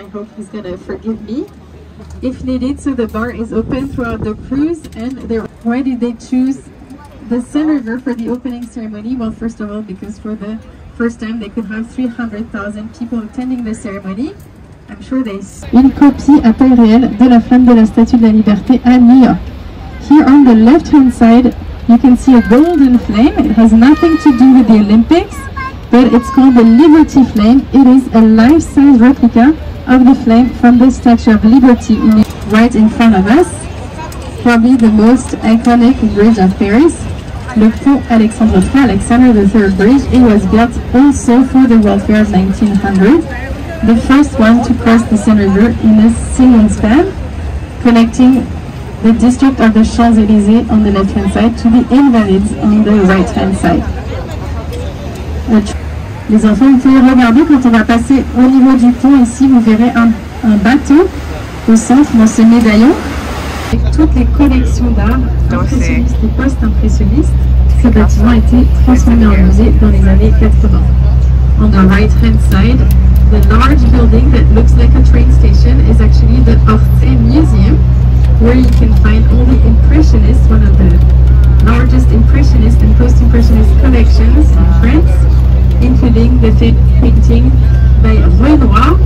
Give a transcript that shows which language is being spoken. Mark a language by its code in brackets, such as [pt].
[en] I hope he's gonna forgive me if needed. So the bar is open throughout the cruise. And why did they choose the Seine River for the opening ceremony? Well, first of all, because for the first time they could have 300,000 people attending the ceremony. I'm sure they [fr] une copie à taille réelle de la flamme de la Statue de la Liberté à New York. [en] Here on the left hand side, you can see a golden flame. It has nothing to do with the Olympics, but it's called the Liberty Flame. It is a life-size replica of the flame from the Statue of Liberty right in front of us. Probably the most iconic bridge of Paris, Le Pont Alexandre III, Alexander III Bridge. It was built also for the World Fair of 1900. The first one to cross the Seine River in a single span, connecting the district of the Champs-Élysées on the left-hand side to the Invalides on the right-hand side. [fr] Les enfants, vous pouvez regarder quand on va passer au niveau du pont ici, vous verrez un bateau au centre dans ce médaillon. Avec toutes les collections d'art impressionnistes et post-impressionnistes, ce bâtiment a été transformé en musée dans les années 80. [en] On the right-hand side, the large building that looks like a train station is actually the Orsay Museum, where you can find all the Impressionists, one of the largest Impressionist and Post-Impressionist collections in France, including the painting by Renoir.